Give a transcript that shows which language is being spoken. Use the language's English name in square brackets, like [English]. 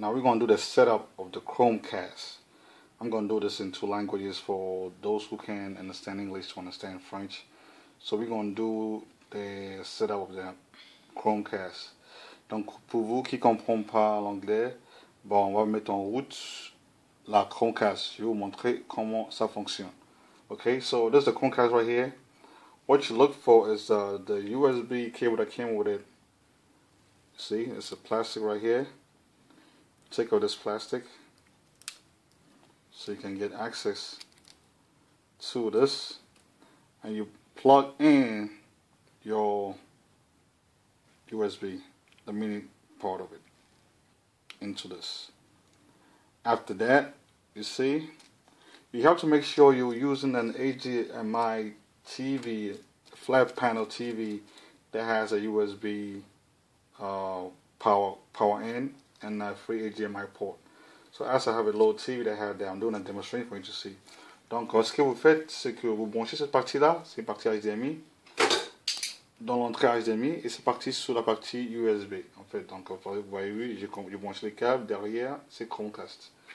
[English] Now we're going to do the setup of the ChromeCast. I'm going to do this in two languages for those who can understand English to understand French. So we're going to do the setup of the ChromeCast. [French] Donc, pour vous qui ne comprenez pas l'anglais, bon, on va mettre en route la ChromeCast. Je vais vous montrer comment ça fonctionne. [English] Okay, so this is the ChromeCast right here. What you look for is the USB cable that came with it. See, it's a plastic right here. Take out this plastic so you can get access to this. And you plug in your USB, the mini part of it, into this. After that, you see, you have to make sure you're using an HDMI TV, flat panel TV that has a USB power in and a free HDMI port. So as I have a little TV that I have there, I'm doing a demonstration for you to see. [French] Donc, ce que vous faites, c'est que vous branchez cette partie-là, c'est une partie HDMI, dans l'entrée HDMI, et c'est parti sur la partie USB, en fait. Donc, vous voyez, oui, j'ai branché les câbles, derrière, c'est ChromeCast.